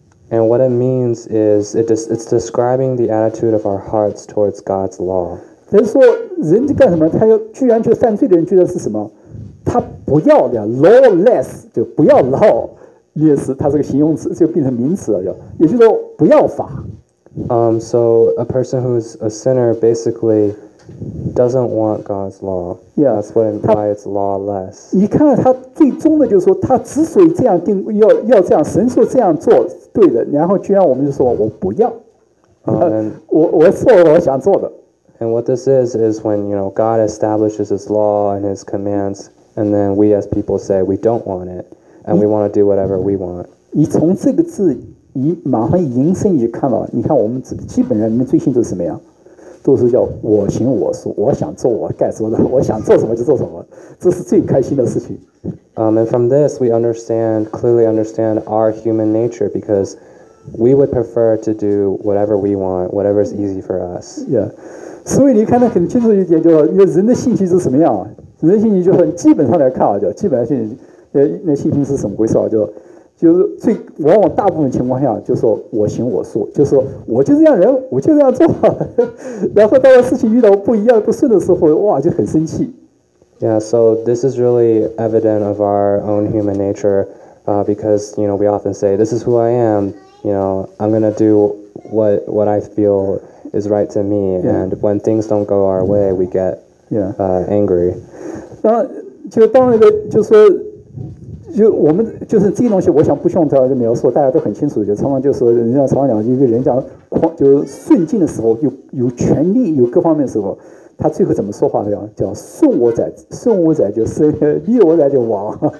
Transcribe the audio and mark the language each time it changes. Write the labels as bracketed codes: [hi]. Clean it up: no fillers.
[en] And what it means is it's describing the attitude of our hearts towards God's law. [zh] 就是说，人家干什么，他要居然去犯罪的人，居然是什么？他不要的 lawless 就不要 lawless， 它是个形容词，就变成名词了，就也就是说不要法。 [en] So a person who is a sinner basically. Doesn't want God's law. Yeah, that's why it's lawless. [zh] 你看他最终的就是说，他之所以这样定要这样，神说这样做对的，然后居然我们就说我不要，我做我想做的。 [en] And what this is when you know God establishes His law and His commands, and then we as people say we don't want it, and we want to do whatever we want. [zh] 你从这个字你马上引申你就看到，你看我们基本上人最信就是什么呀？都是叫我行我素，我想做我该做的，我想做什么就做什么，这是最开心的事情。 [en] And from this we clearly understand our human nature, because we would prefer to do whatever we want, whatever is easy for us. Yeah. [zh] 所以你看得很清楚一点，就是人的性情是什么样啊？人的性情就很基本上来看啊，就基本上那性情是什么回事啊？就是最往往大部分情况下就说我行我素，就说我就这样人，我就这样做。然后到了事情遇到不一样不顺的时候，哇，就很生气。 [en] Yeah, so this is really evident of our own human nature, because you know we often say this is who I am. You know, I'm gonna do what I feel is right to me. Yeah. And when things don't go our way, we get angry. [zh] 那就当那个就说。就我们就是这些东西，我想不用他的描述，大家都很清楚。就常常就说，人家常常讲，一个人讲就顺境的时候，有权利，有各方面的时候，他最后怎么说话的呀？叫顺我者就生，逆我者就亡。